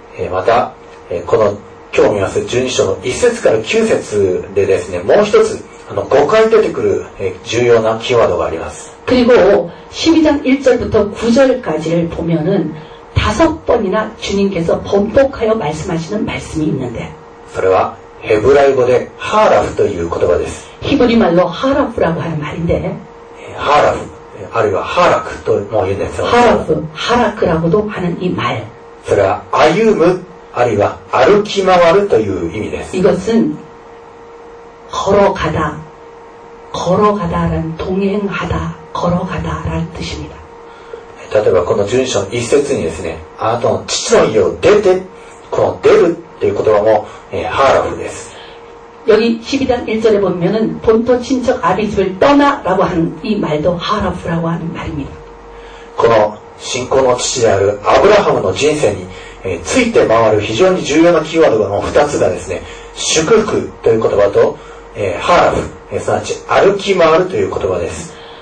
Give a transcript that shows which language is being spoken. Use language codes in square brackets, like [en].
[ja] またこの今日見ます12章の1節から9節でですねもう一つ5回出てくる重要なキーワードがあります [ko] 그리고12장1절부터9절까지를보면은다섯번이나주님께서번복하여말씀하시는말씀이있는데 그것은헤브라이어의하라프 [ja] という言葉です [ko] 히브리말로하라프라고하는말인데 하라프아니면하라크도뭐이런데서 하라프하라크라고도하는이말 [ja] それは歩むあるいは歩き回るという意味です [ko] 이것은걸어가다걸어가다라는동행하다걸어가다라는뜻입니다 [ja] 例えばこの12章の1節にですねあなたの父の家を出てこの出るっていう言葉もハーラフです [ko] 여기12장1절에보면은본토친척아비집을떠나라고하는이말도하라프라고하는말입니다 [ja] この信仰の父であるアブラハムの人生について回る非常に重要なキーワードの2つがですね祝福という言葉とハラフすなわち歩き回るという言葉です